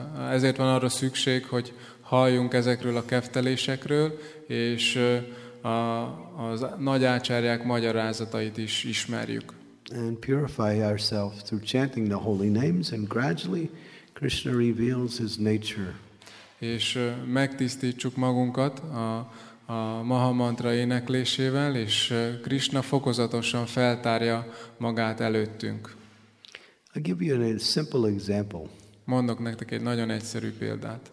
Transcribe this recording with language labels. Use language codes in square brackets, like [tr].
[hu] Ezért van arra szükség, hogy halljunk ezekről a keftelésekről, és az nagy ácsárják magyarázatait is ismerjük. [en] And purify ourselves through chanting the holy names, and gradually Krishna reveals his nature. [hu] És megtisztítsuk magunkat a maha mantra éneklésével, és Krishna fokozatosan feltárja magát előttünk. [en] I'll give you a simple example. [hu] Mondok nektek egy nagyon egyszerű példát.